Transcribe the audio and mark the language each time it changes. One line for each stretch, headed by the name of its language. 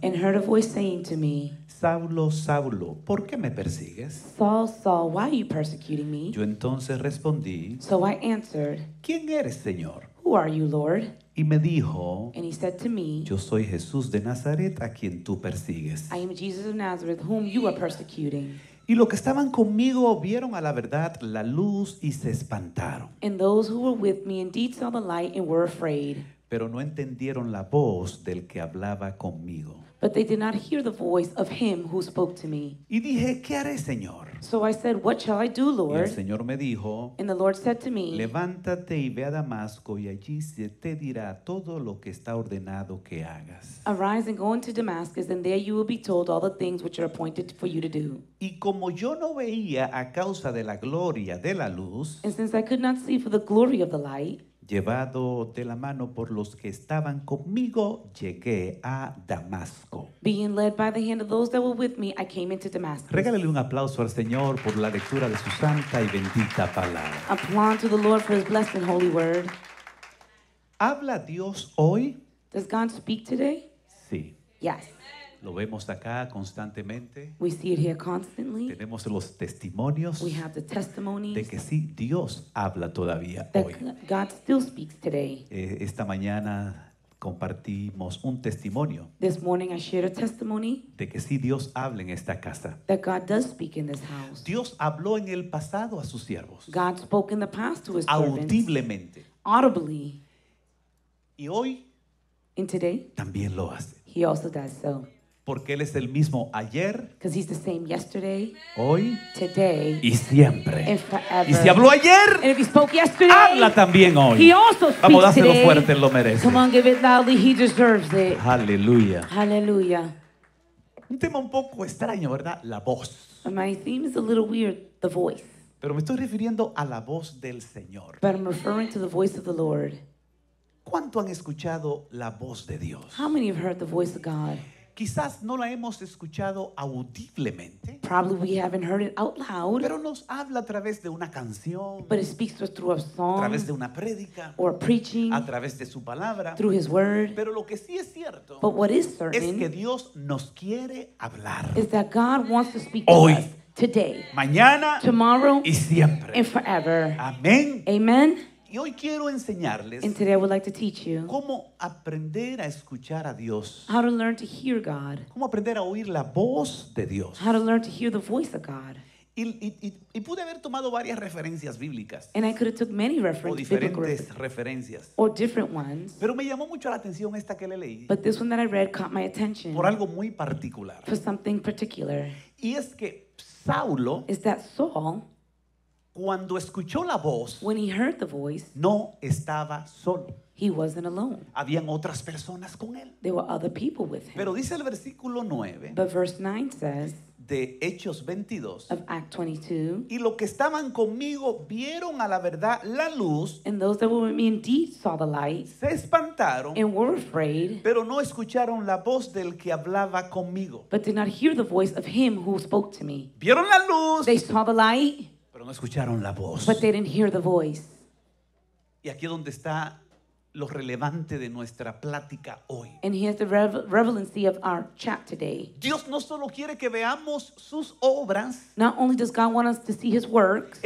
English: and heard a voice saying to me,
Spanish: Saulo, Saulo, ¿por qué me persigues?
English: Saul, Saul, why are you persecuting me?
Spanish: Yo entonces respondí,
English: so I answered,
Spanish: ¿quién eres, Señor?
English: Who are you, Lord?
Spanish: Y me dijo,
English: and he said to me,
Spanish: yo soy Jesús de Nazaret a quien tú persigues.
English: I am Jesus of Nazareth whom you are persecuting.
Spanish: Y los que estaban conmigo vieron a la verdad la luz y se espantaron.
English: And those who were with me indeed saw the light and were afraid.
Spanish: Pero no entendieron la voz del que hablaba conmigo.
English: But they did not hear the voice of him who spoke to me.
Spanish: Y dije, ¿qué haré, Señor?
English: So I said, what shall I do, Lord?
Spanish: Y el Señor me dijo,
English: and the Lord said to me,
Spanish: levántate y ve a Damasco y allí se te dirá todo lo que está ordenado que hagas.
English: Arise and go into Damascus and there you will be told all the things which are appointed for you to do.
Spanish: Y como yo no veía a causa de la gloria de la luz,
English: and since I could not see for the glory of the light,
Spanish: llevado de la mano por los que estaban conmigo, llegué a Damasco.
English: Being led by the hand of those that were with me, I came into Damascus.
Spanish: Regálele un aplauso al Señor por la lectura de su santa y bendita palabra.
English: Applaud to the Lord for his blessed and holy word.
Spanish: ¿Habla Dios hoy?
English: Does God speak today?
Spanish: Sí.
English: Yes.
Spanish: Lo vemos acá constantemente.
English: We see it here constantly.
Spanish: Tenemos los testimonios.
English: We have the testimonies.
Spanish: De que sí, Dios habla todavía
English: that
Spanish: hoy.
English: God still speaks today.
Spanish: Esta mañana compartimos un testimonio.
English: This morning I shared a testimony.
Spanish: De que sí, Dios habla en esta casa.
English: That God does speak in this house.
Spanish: Dios habló en el pasado a sus siervos.
English: God spoke in the past to his
Spanish: audiblemente
English: servants. Audibly.
Spanish: Y hoy.
English: And today.
Spanish: También lo hace.
English: He also does so.
Spanish: Porque él es el mismo ayer,
English: because he's the same yesterday,
Spanish: hoy,
English: today,
Spanish: y siempre,
English: and forever.
Spanish: Y si habló ayer,
English: and if he spoke yesterday,
Spanish: habla también hoy.
English: He also speaks
Spanish: vamos, dáselo
English: today.
Spanish: Fuerte, lo merece.
English: Come on, give it loudly, he deserves it. Hallelujah. Hallelujah.
Spanish: Un tema un poco extraño, ¿verdad? La voz.
English: My theme is a little weird, the voice.
Spanish: Pero me estoy refiriendo a la voz del Señor.
English: But I'm referring to the voice of the Lord.
Spanish: ¿Cuánto han escuchado la voz de Dios?
English: How many have heard the voice of God?
Spanish: Quizás no la hemos escuchado audiblemente.
English: Probably we haven't heard it out loud.
Spanish: Pero nos habla a través de una canción.
English: But it speaks to us through a song.
Spanish: A través de una prédica.
English: Or preaching.
Spanish: A través de su palabra.
English: Through his word.
Spanish: Pero lo que sí es cierto.
English: But what is certain.
Spanish: Es que Dios nos quiere hablar.
English: Is that God wants to speak
Spanish: hoy,
English: to us. Today.
Spanish: Mañana.
English: Tomorrow.
Spanish: Y siempre.
English: And forever.
Spanish: Amén.
English: Amen.
Spanish: Y hoy quiero enseñarles,
English: and today I would like to teach you,
Spanish: cómo aprender a escuchar a Dios,
English: how to learn to hear God,
Spanish: cómo aprender a oír la voz de Dios,
English: how to learn to hear the voice of God.
Spanish: Y pude haber tomado varias referencias bíblicas,
English: and I could have took many reference,
Spanish: o diferentes
English: biblical
Spanish: referencias,
English: or different ones,
Spanish: pero me llamó mucho la atención esta que le leí,
English: but this one that I read caught my attention,
Spanish: por algo muy particular,
English: for something particular.
Spanish: Y es que Saulo,
English: is that Saul,
Spanish: cuando escuchó la voz,
English: when he heard the voice,
Spanish: no estaba solo.
English: He wasn't alone.
Spanish: Habían otras personas con él.
English: There were other people with him.
Spanish: Pero dice el versículo 9,
English: but verse 9 says,
Spanish: de Hechos 22.
English: Of Act 22.
Spanish: Y los que estaban conmigo vieron a la verdad la luz.
English: And those that were with me indeed saw the light.
Spanish: Se espantaron.
English: And were afraid.
Spanish: Pero no escucharon la voz del que hablaba conmigo.
English: But did not hear the voice of him who spoke to me.
Spanish: Vieron la luz.
English: They saw the light.
Spanish: Pero no escucharon la voz.
English: But they didn't hear the voice.
Spanish: Y aquí es donde está lo relevante de nuestra plática hoy.
English: And here's the relevancy of our chat today.
Spanish: Dios no solo quiere que veamos sus obras.
English: Not only does God want us to see his works.